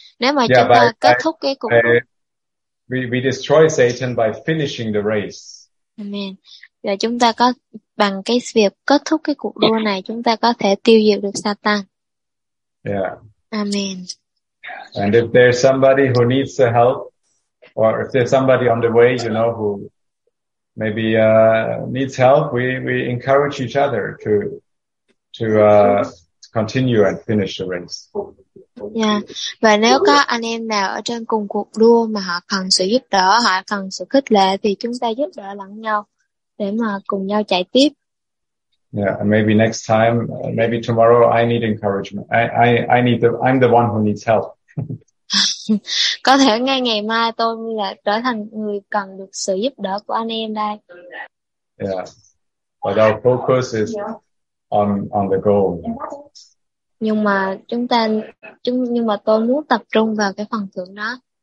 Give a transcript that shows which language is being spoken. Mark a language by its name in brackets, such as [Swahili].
[Vietnamese] Nếu mà chúng ta kết thúc cái cuộc đua, [English] we destroy Satan by finishing the race. Amen. [Vietnamese] Và chúng ta có bằng cái việc kết thúc cái cuộc đua này, chúng ta có thể tiêu diệt được Satan. [English] Yeah. Amen. And if there's somebody who needs the help, Or if there's somebody on the way, you know, who maybe needs help, we encourage each other to continue and finish the race. Yeah. [Vietnamese] Và nếu có anh em nào ở trên cùng cuộc đua mà họ cần sự giúp đỡ, họ cần sự khích lệ thì chúng ta giúp đỡ lẫn nhau để mà cùng nhau chạy tiếp. [English] Yeah, and maybe next time, maybe tomorrow I need encouragement. I'm the one who needs help. [Vietnamese] Có thể ngay ngày mai tôi là trở thành người cần được sự giúp đỡ của anh em đây. [English] Yeah. But our focus is on the goal. [Vietnamese] Nhưng mà tôi muốn tập trung vào cái phần thưởng đó.